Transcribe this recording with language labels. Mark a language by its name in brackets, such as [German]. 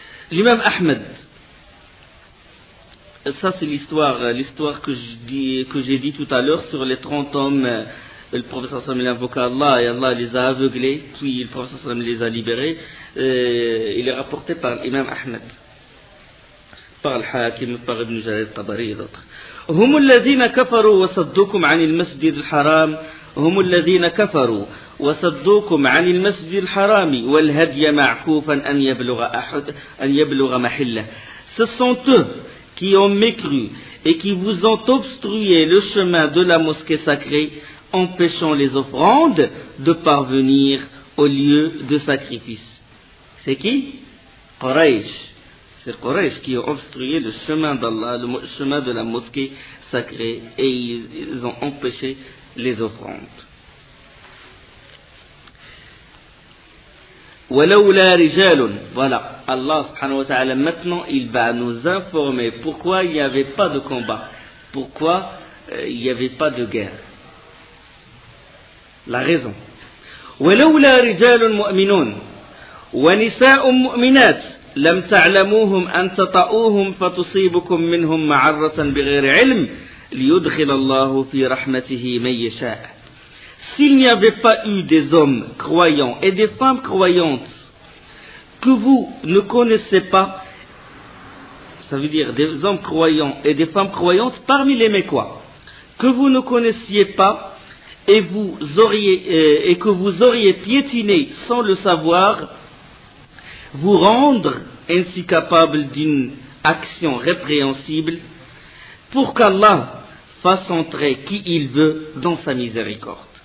[French] L'imam Ahmed, ça c'est l'histoire que j'ai dit tout à l'heure sur les 30 hommes Et le professeur Sam il invoqua Allah et Allah les a aveuglés, puis le professeur Sam les a libérés. Il est rapporté par l'imam Ahmed, par le Hakim, par Ibn Jarir Tabari et d'autres. [Arabic] هم الذين كفروا وصدوكم عن المسجد الحرام هم الذين كفروا وصدوكم عن المسجد الحرام والهدي معكوفا أن يبلغ أحد أن يبلغ محلة. [French] Ce sont eux qui ont mécru et qui vous ont obstrué le chemin de la mosquée sacrée, empêchant les offrandes de parvenir au lieu de sacrifice. C'est qui? Quraysh. C'est Quraysh qui ont obstrué le chemin d'Allah, le chemin de la mosquée sacrée, et ils ont empêché les offrandes. [Arabic] وَلَوْلَا رِجَالٌ. [French] Voilà, Allah subhanahu wa ta'ala, maintenant il va nous informer pourquoi il n'y avait pas de combat, pourquoi il n'y avait pas de guerre. La raison. [Arabic] وَلَوْلَا رِجَالٌ مُؤْمِنُونَ وَنِسَاءٌ مُؤْمِنَاتٌ لم تعلموهم أن تطؤوهم فتصيبكم منهم معرة بغير علم ليدخل الله في رحمته من يشاء. [French] S'il n'y avait pas eu des hommes croyants et des femmes croyantes que vous ne connaissez pas, ça veut dire des hommes croyants et des femmes croyantes parmi les Mécois, que vous ne connaissiez pas et que vous auriez piétiné sans le savoir, vous rendre ainsi capable d'une action répréhensible pour qu'Allah fasse entrer qui il veut dans sa miséricorde.